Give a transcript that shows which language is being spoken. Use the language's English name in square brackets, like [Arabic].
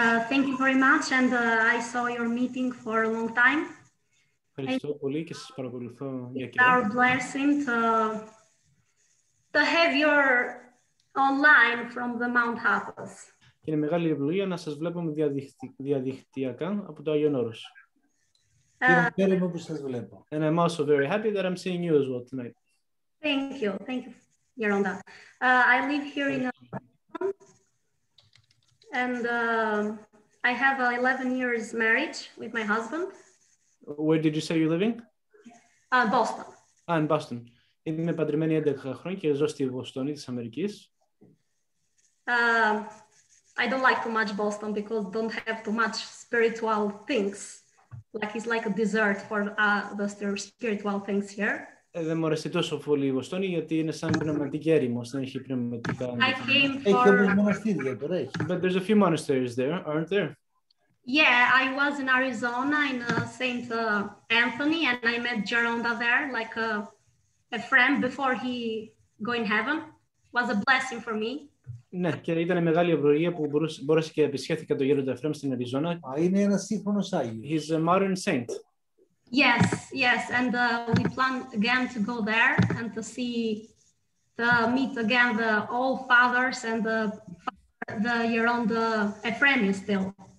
[English] Thank you very much, and I saw your meeting for a long time. [Greek] Ευχαριστώ πολύ και σας παρακολουθώ για καιρό. [English] It's our blessing to have your online from the Mount Athos. [Greek] Είναι μεγάλη ευλογία να σας βλέπουμε διαδικτυακά από το Άγιον Όρος. Χαίρομαι που σας βλέπω. [English] And I'm also very happy that I'm seeing you as well tonight. Thank you, Γιώροντα. I live here in and I have 11 years marriage with my husband. Where did you say you're living? Boston. Ah, in Boston. [Greek] Είμαι παντρεμένη 11 χρόνια και ζω στη Βοστόνη της Αμερικής. [English] I don't like too much Boston because don't have too much spiritual things. Like it's like a dessert for those spiritual things here. [Greek] Δεν μου αρέσει τόσο πολύ η Βοστόνη, γιατί είναι σαν πνευματική έρημος, δεν έχει πνευματικά. Έχει όμως μοναστήρια, τώρα έχει. [English] But there's a few monasteries there, aren't there? Yeah, I was in Arizona, in St. Anthony, and I met Geronda there, like a friend before he go in heaven. Was a blessing for me. [Greek] Ναι, και ήταν μεγάλη ευλογία που μπορούσε και επισκέφθηκα τον Γέροντα Εφραίμ στην Αριζόνα. Είναι ένα σύγχρονος Άγιος. [English] He's a modern saint. Yes, and we plan again to go there and to see, to meet again the old fathers and the year on the Ephraim still.